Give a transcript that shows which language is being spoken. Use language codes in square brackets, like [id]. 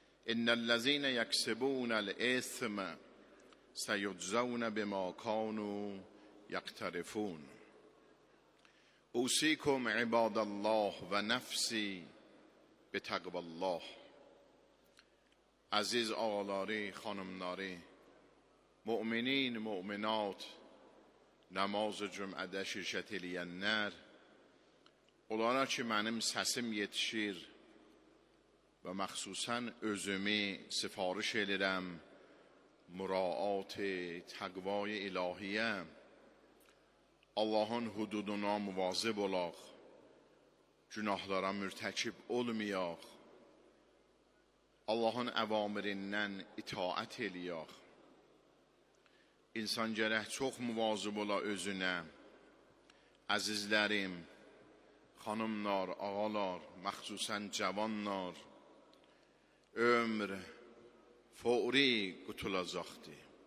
[ar] إن الذين يكسبون الإثم سيجزون بما كانوا يقترفون اوصیکم عباد الله و نفسی به تقوی الله. [az] عزیز آقالاری خانمناری مؤمنین مؤمنات نماز جمعه دشی شتیلینر اولارا چی منم سسم یتشیر و مخصوصا özümü سفارش ایلیرم مراعات تقوی الهیه Allahın hududuna müvazib olaq, günahlara mürtəkib olmayaq, Allahın əvamirindən itaət eləyaq. İnsan gərək çox müvazib ola özünə. Əzizlərim, xanımlar, ağalar, məxsusən cavanlar, ömr fəuri qutulacaqdır.